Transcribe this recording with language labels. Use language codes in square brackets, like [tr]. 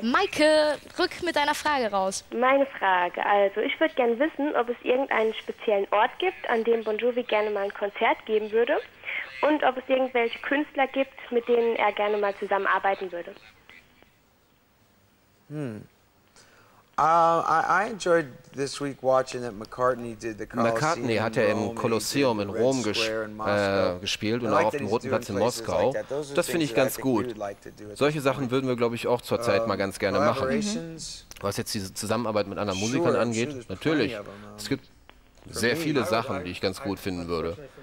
[de] Maike, rück mit deiner Frage raus. Meine Frage, also ich würde gerne wissen, ob es irgendeinen speziellen Ort gibt, an dem Bon Jovi gerne mal ein Konzert geben würde und ob es irgendwelche Künstler gibt, mit denen er gerne mal zusammenarbeiten würde. [en] I enjoyed this week watching that McCartney did the Colosseum. [de] McCartney hat ja im Kolosseum in Rom gespielt und auch auf dem Roten Platz in Moskau. Das finde ich ganz gut. Solche Sachen würden wir, glaube ich, auch zurzeit mal ganz gerne machen. Was jetzt diese Zusammenarbeit mit anderen Musikern angeht, natürlich. Es gibt sehr viele Sachen, die ich ganz gut finden würde.